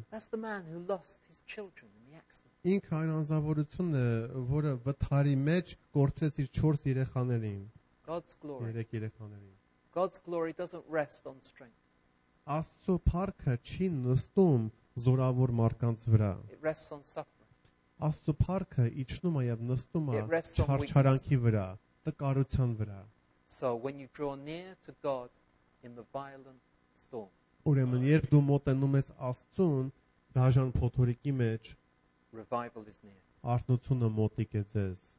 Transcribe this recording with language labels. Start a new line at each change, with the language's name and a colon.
English: That's the man who lost his children in the accident.
Armenian: Ինք այն անձավորությունը, որը վթարի մեջ կորցրեց իր 4 երեխաներին։
English: God's glory.
Armenian: 3 երեխաներին։
English: God's glory doesn't rest on strength.
Armenian: Աստծո փառքը չի նստում զորավոր մարդկանց վրա։
English: It rests on suffering.
Armenian: Աստծո փառքը իջնում է եւ նստում է չարչարանքի վրա, տկարության վրա։
English: So when you draw near to God in the violent storm,
Armenian: ուրեմն երբ դու մոտենում ես Աստծուն դաժան փոթորիկի մեջ,
English: revival is near.
Armenian: Արթնությունը մոտիկ է ձեզ։